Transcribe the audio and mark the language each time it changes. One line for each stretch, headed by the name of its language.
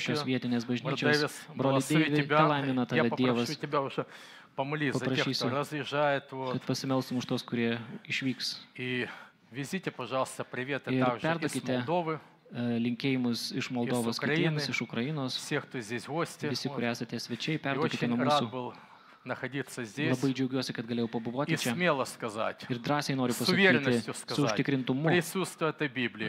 Lithuanian: šios vietinės bažnyčios.
Russian: Брат Дэвис,
Lithuanian: brolį Дэйви, palaimina tave Dievas.
Russian: Я попрошу тебя уже помолиться за тех, кто разъезжает.
Lithuanian: Kad pasimelsim už tos, kurie išvyks.
Russian: И везите, пожалуйста, приветы также из Молдовы.
Lithuanian: Linkėjimus iš Moldovos kitiems, iš Ukrainos.
Russian: Всех, кто здесь гости.
Lithuanian: Visi, kurie esate svečiai, perduokite nuo mūsų.
Russian: Находиться здесь.
Lithuanian: Labai džiaugiuosi, kad galėjau pabuvoti čia.
Russian: И смело сказать.
Lithuanian: Ir drąsiai noriu pasakyti.
Russian: С уверенностью сказать.
Lithuanian: Su užtikrintumu.
Russian: Присутствие этой Библии.